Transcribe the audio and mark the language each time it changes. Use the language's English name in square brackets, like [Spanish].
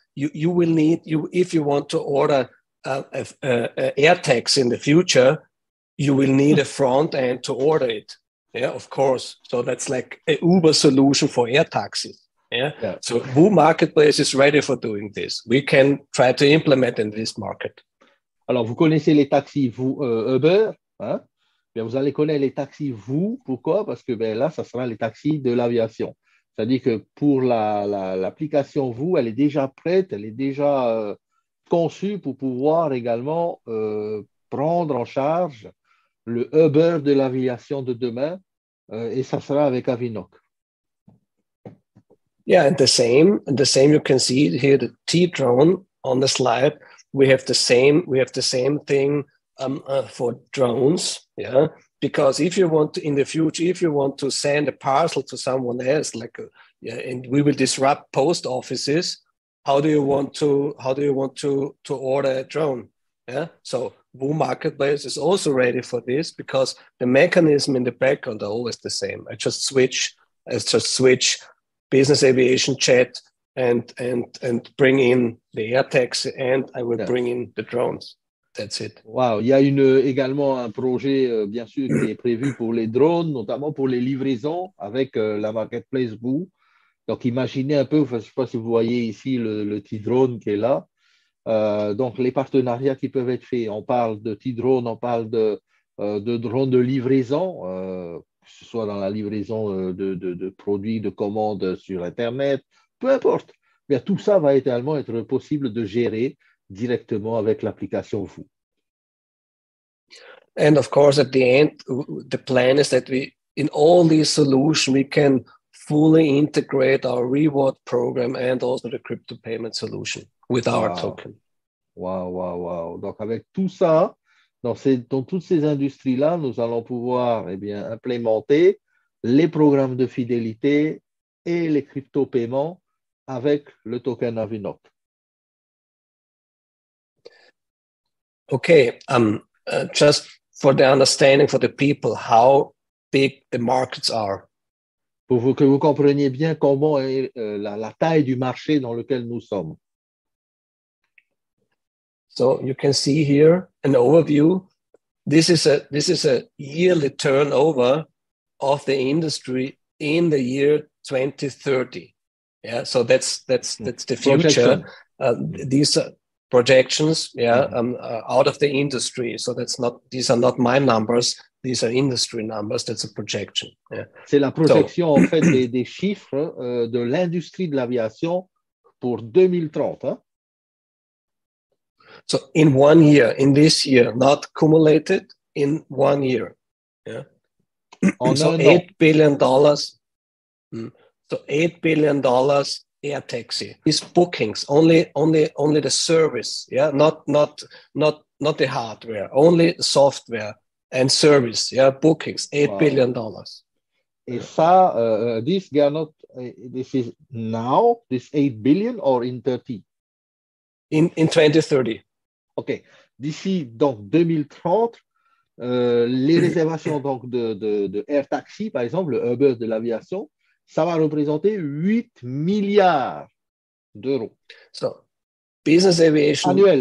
[English] You will need you if you want to order a air taxi in the future, you will need a front end to order it. Yeah, of course. So that's like a Uber solution for air taxis. Yeah. So Woo Marketplace is ready for doing this. We can try to implement in this market. [French] Alors, vous connaissez les taxis, vous, Uber, hein? Bien, vous allez connaître les taxis, vous. Pourquoi? Parce que bien, là, ça sera les taxis de l'aviation. C'est-à-dire que pour l'application, vous, elle est déjà prête, elle est déjà conçue pour pouvoir également prendre en charge le Uber de l'aviation de demain, et ça sera avec Avinoc. [English] Yeah, and the same you can see here, the T drone on the slide. We have the same thing for drones. Yeah, because if you want to, in the future, if you want to send a parcel to someone else, like and we will disrupt post offices, how do you want to order a drone? Yeah, so Woo Marketplace is also ready for this because the mechanism in the background are always the same. I just switch business aviation chat and bring in the air taxi and I will bring in the drones. That's it. Wow. [French] Il y a également un projet, bien sûr, qui est prévu pour les drones, notamment pour les livraisons avec la marketplace Boo. Donc, imaginez un peu, enfin, je ne sais pas si vous voyez ici le T-Drone qui est là. Donc, les partenariats qui peuvent être faits. On parle de T-Drone, on parle de drones de livraison, que ce soit dans la livraison de produits, de commandes sur Internet, peu importe. Bien, tout ça va également être possible de gérer directement avec l'application vous. [English] And of course, at the end, the plan is that we, in all these solutions, we can fully integrate our reward program and also the crypto payment solution with our Wow. token. Wow. [French] Donc avec tout ça, dans toutes ces industries-là, nous allons pouvoir eh bien, implémenter les programmes de fidélité et les crypto-paiements avec le token Avinoc. [English] Okay, just for the understanding for the people, how big the markets are. [French] Pour vous, que vous compreniez bien comment est la taille du marché dans lequel nous sommes. [English] So you can see here an overview. This is a yearly turnover of the industry in the year 2030. Yeah, so that's the future. Projection. These are projections, yeah, out of the industry. So that's not, these are not my numbers. These are industry numbers. That's a projection. Yeah. [French] C'est la [English] So. [French] projection en fait des chiffres de l'industrie de l'aviation pour 2030. Hein? [English] So in one year, in this year, not cumulated, in one year. Yeah. Oh, so [French] non, non. [English] $8 billion. So $8 billion air taxi is bookings, only the service, yeah, not the hardware, only software and service, yeah, bookings, Wow. $8 billion. [French] Et ça, [English] this Gernot, this is now, this 8 billion or in 30? In 2030. OK. [French] D'ici donc 2030, les réservations donc de Air Taxi, par exemple, le Uber de l'aviation, ça va représenter 8 milliards d'euros. [English] So, business aviation [French] Annuel,